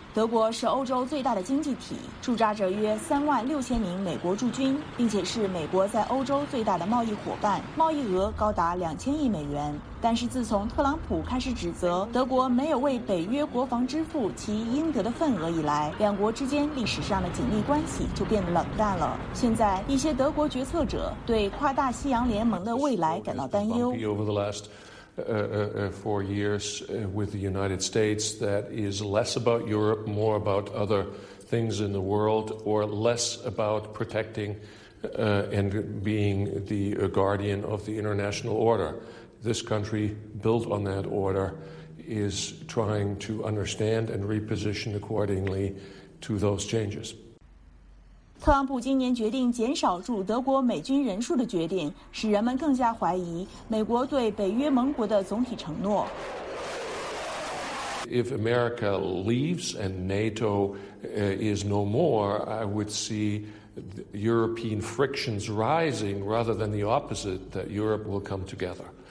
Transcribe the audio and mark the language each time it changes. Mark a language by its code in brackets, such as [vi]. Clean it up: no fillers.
[zh] 德国是欧洲最大的经济体，驻扎着约36000名美国驻军，并且是美国在欧洲最大的贸易伙伴，贸易额高达2000亿美元。但是自从特朗普开始指责德国没有为北约国防支付其应得的份额以来，两国之间历史上的紧密关系就变得冷淡了。现在一些德国决策者对跨大西洋联盟的未来感到担忧。 [en] For years with the United States, that is less about Europe, more about other things in the world, or less about protecting and being the guardian of the international order. This country, built on that order, is trying to understand and reposition accordingly to those changes. [zh] 特朗普今年决定减少驻德国美军人数的决定，使人们更加怀疑美国对北约盟国的总体承诺。 [en] If America leaves and NATO is no more, I would see European frictions rising rather than the opposite, that Europe will come together.